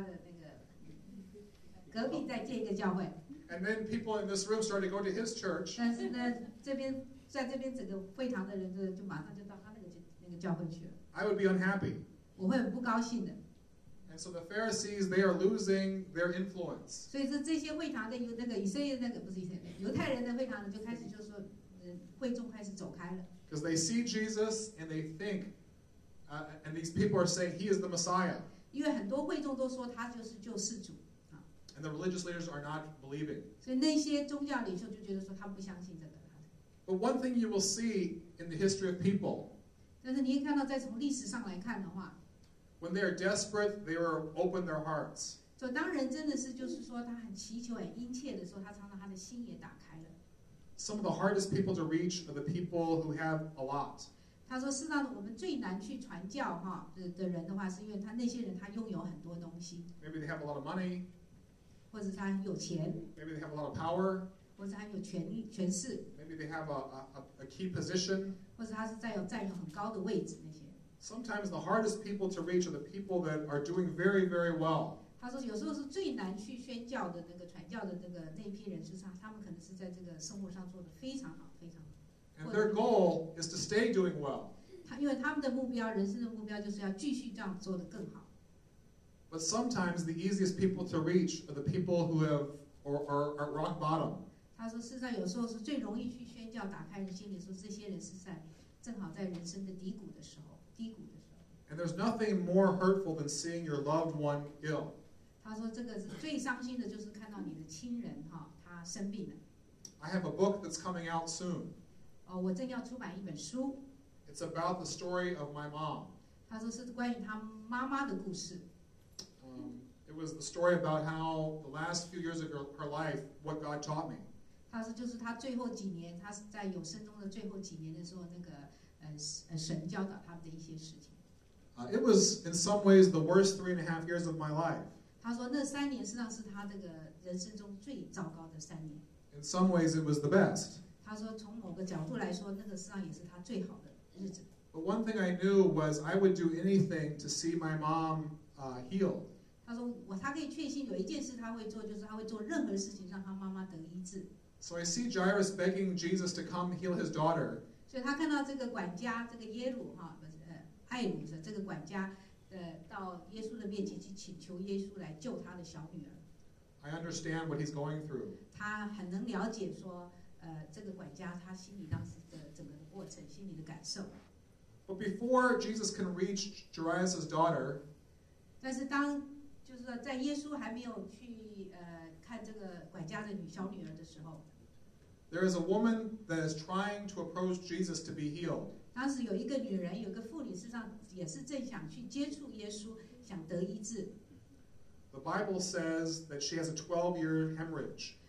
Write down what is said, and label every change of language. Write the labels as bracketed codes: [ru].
[zh] 但是呢，那个Joel Osteen就Houston那个很有名的那个Joel Osteen，他刚好在他的那个隔壁在建一个教会。 [en] And then people in this room started to go to his church. [zh] 但是呢，这边在这边整个会堂的人就马上就到他那个教会去了。 [en] I would be unhappy. [zh] 我会很不高兴的。 [en] And so the Pharisees, they are losing their influence. [zh] 所以这些会堂的那个以色列那个不是以色列犹太人的会堂就开始就说，会众开始走开了。 [en] Because they see Jesus and they think, and these people are saying he is the Messiah. [zh] 因为很多会众都说他就是救世主。 [en] And the religious leaders are not believing. [zh] 所以那些宗教领袖就觉得说他不相信这个。 [en] But one thing you will see in the history of people. [zh] 但是你一看到在从历史上来看的话。 [en] When they are desperate, they will open their hearts. So, [zh] 当人真的是就是说他很祈求很殷切的时候，他常常他的心也打开了。 [en] Some of the hardest people to reach are the people who have a lot. [zh] 他说事实上我们最难去传教哈的人的话，是因为他那些人他拥有很多东西。 [en] Maybe they have a lot of money. [zh] 或者他有钱。 [en] Maybe they have a lot of power. [zh] 或者他有权力权势。 [en] Maybe they have a key position. [zh] 或者他是在有占有很高的位置那些。 [en] Sometimes the hardest people to reach are the people that are doing very, very well. [zh] 他说有时候是最难去宣教的那个传教的那个那一批人身上，他们可能是在这个生活上做得非常好非常好。 [en] And their goal is to stay doing well. [zh] 因为他们的目标人生的目标就是要继续这样做得更好。 [en] But sometimes the easiest people to reach are the people who have are rock bottom. [zh] 他说事实上有时候是最容易去宣教打开人心里说这些人是在正好在人生的低谷的时候低谷的时候。 [en] And there's nothing more hurtful than seeing your loved one ill. [zh] 他说这个是最伤心的就是看到你的亲人他生病了。 [en] I have a book that's coming out soon. [zh] 我正要出版一本书。 [en] It's about the story of my mom. [zh] 他说是关于他妈妈的故事。 [en] It was the story about how the last few years of her life, what God taught me. [zh] 他说就是他最后几年他在有生中的最后几年的时候那个神教导他的一些事情。 [en] It was in some ways the worst 3.5 years of my life. [zh] 他说那三年实际上是他这个人生中最糟糕的三年。 [en] In some ways it was the best. [zh] 他说从某个角度来说那个实际上也是他最好的日子。 [en] But one thing I knew was I would do anything to see my mom heal. [zh] 他说他可以确信有一件事他会做就是他会做任何事情让他妈妈得医治。 [en] So I see Jairus begging Jesus to come heal his daughter. [zh] 所以他看到这个管家这个耶鲁艾鲁的这个管家到耶稣的面前去请求耶稣来救他的小女儿。 [en] I understand what he's going through. [zh] 他很能了解说，这个管家他心里当时的整个的过程，心里的感受。 [en] But before Jesus can reach Jairus's daughter, [zh] 但是当就是说在耶稣还没有去看这个管家的小女儿的时候 [en] ，There is a woman that is trying to approach Jesus to be healed. [zh] 当时有一个女人，有个妇女，事实上也是正想去接触耶稣，想得医治。 [en] The Bible says that she has a 12-year hemorrhage.